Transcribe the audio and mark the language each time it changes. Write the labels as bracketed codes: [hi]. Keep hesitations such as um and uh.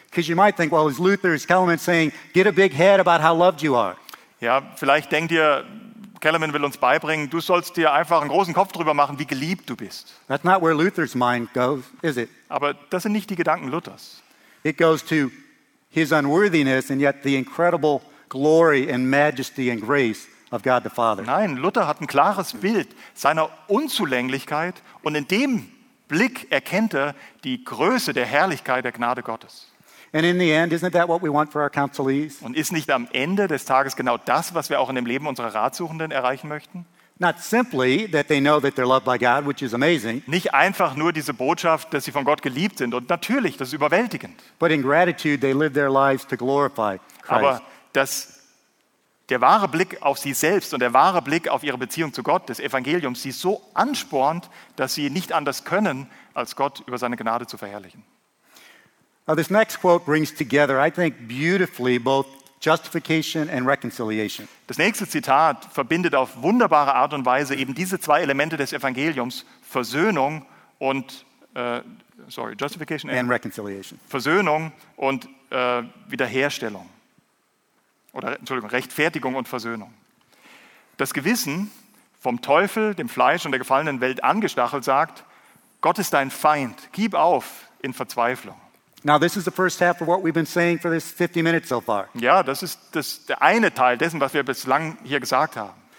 [en] Because you might think, well, is Luther is coming and saying, get a big head about how loved you are. [de] Ja, vielleicht denkt ihr, Kellerman will uns beibringen, du sollst dir einfach einen großen Kopf drüber machen, wie geliebt du bist. Goes, Aber das sind nicht die Gedanken Luthers. [en] It goes to his unworthiness and yet the incredible glory and majesty and grace of God the Father. [de] Nein, Luther hat ein klares Bild seiner Unzulänglichkeit und in dem Blick erkennt er die Größe der Herrlichkeit der Gnade Gottes. And end, und ist nicht am Ende des Tages genau das, was wir auch in dem Leben unserer Ratsuchenden erreichen möchten? [en] Not simply that they know that they're loved by God, which is amazing. [de] Nicht einfach nur diese Botschaft, dass sie von Gott geliebt sind und natürlich, das ist überwältigend. [en] But in gratitude they live their lives to glorify Christ. [de] Aber dass der wahre Blick auf sie selbst und der wahre Blick auf ihre Beziehung zu Gott, das Evangelium, sie so anspornt, dass sie nicht anders können, als Gott über seine Gnade zu verherrlichen. Now, this Das nächste Zitat verbindet auf wunderbare Art und Weise eben diese zwei Elemente des Evangeliums: Versöhnung und uh, [en] sorry, justification and, and, reconciliation. [de] Versöhnung und uh, Wiederherstellung oder Entschuldigung, Rechtfertigung und Versöhnung. Das Gewissen vom Teufel, dem Fleisch und der gefallenen Welt angestachelt sagt: Gott ist dein Feind, gib auf in Verzweiflung. [en] Now, this is the first half of what we've been saying for this 50 minutes so far. [de] Ja, das ist das, der eine Teil dessen, was wir bislang hier gesagt haben.